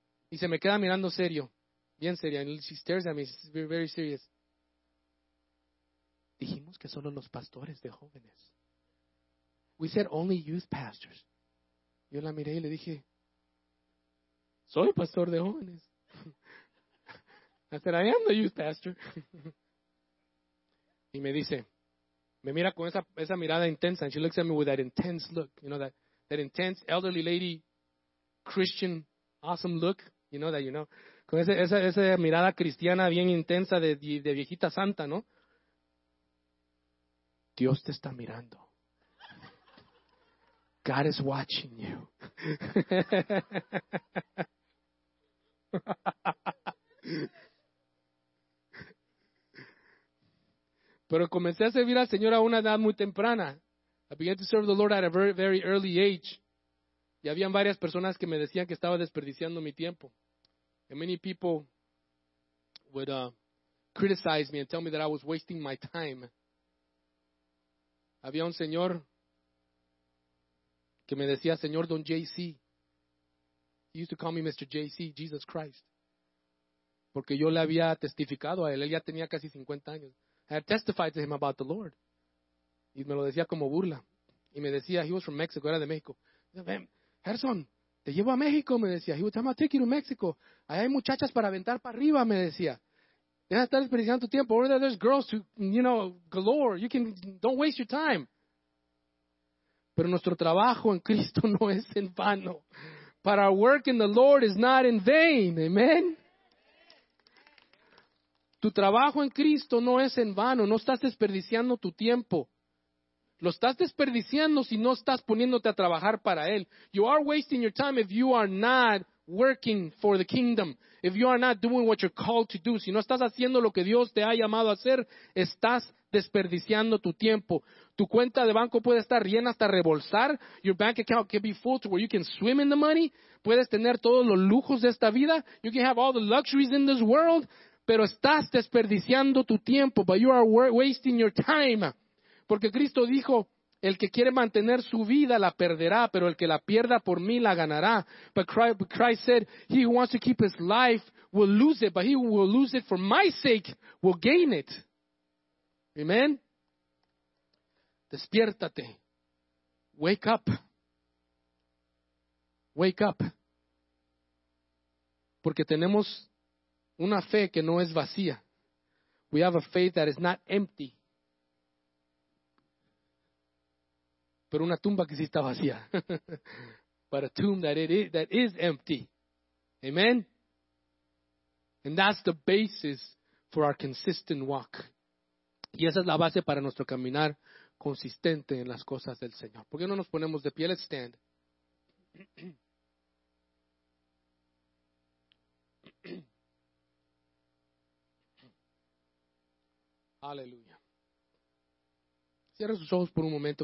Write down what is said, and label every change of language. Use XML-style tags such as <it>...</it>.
<es>Y se me queda mirando serio, bien seria.</es> <en>And she stares at me, she's very, very serious.</en> <es>Dijimos que solo los pastores de jóvenes.</es> <en>We said only youth pastors.</en> <es>Yo la miré y le dije, soy pastor de jóvenes.</es> <en>I said, I am the youth pastor.</en> <es>Y me dice, me mira con esa mirada intensa.</es> <en>And she looks at me with that intense look. You know, that intense elderly lady, Christian, awesome look. You know that, you know.</en> <es>Con esa mirada cristiana bien intensa de viejita santa, ¿no? Dios te está mirando.</es> <en>God is watching you.</en> <es>Pero comencé a servir al Señor a una edad muy temprana.</es> <en>I began to serve the Lord at a very, very early age.</en> <es>Y habían varias personas que me decían que estaba desperdiciando mi tiempo.</es> <en>And many people would criticize me and tell me that I was wasting my time.</en> <es>Había un señor que me decía, Señor Don JC.</es> <en>He used to call me Mr. JC, Jesus Christ.</en> <es>Porque yo le había testificado a él. Él ya tenía casi 50 años.</es> <en>I had testified to him about the Lord.</en> <es>Y me lo decía como burla. Y me decía,</es> <en>he was from Mexico,</en> <es>era de México. Gerson, te llevo a México, me decía.</es> <en>He was talking about taking you to Mexico.</en> <es>Ahí hay muchachas para aventar para arriba, me decía. Deja de estar desperdiciando tu tiempo.</es> <en>Over there, there's girls who, you know, galore. You can, don't waste your time.</en> <es>Pero nuestro trabajo en Cristo no es en vano.</es> <en>But our work in the Lord is not in vain. Amen.</en> <es>Tu trabajo en Cristo no es en vano. No estás desperdiciando tu tiempo. Lo estás desperdiciando si no estás poniéndote a trabajar para Él.</es> <en>You are wasting your time if you are not working for the kingdom. If you are not doing what you're called to do.</en> <es>Si no estás haciendo lo que Dios te ha llamado a hacer, estás desperdiciando tu tiempo. Tu cuenta de banco puede estar llena hasta rebolsar.</es> <en>Your bank account can be full to where you can swim in the money.</en> <es>Puedes tener todos los lujos de esta vida.</es> <en>You can have all the luxuries in this world.</en> <es>Pero estás desperdiciando tu tiempo.</es> <en>But you are wasting your time.</en> <es>Porque Cristo dijo, el que quiere mantener su vida la perderá, pero el que la pierda por mí la ganará.</es> <en>But Christ said, he who wants to keep his life will lose it, but he who will lose it for my sake will gain it. Amen.</en> <es>Despiértate.</es> <en>Wake up. Wake up.</en> <es>Porque tenemos una fe que no es vacía.</es> <en>We have a faith that is not empty.</en> <es>Pero una tumba que sí está vacía.</es> <en>But a tomb that is empty. Amen. And that's the basis for our consistent walk.</en> <es>Y esa es la base para nuestro caminar consistente en las cosas del Señor. ¿Por qué no nos ponemos de pie?</es> <en>Let's stand.</en> <es>Aleluya. Cierra sus ojos por un momento.</es>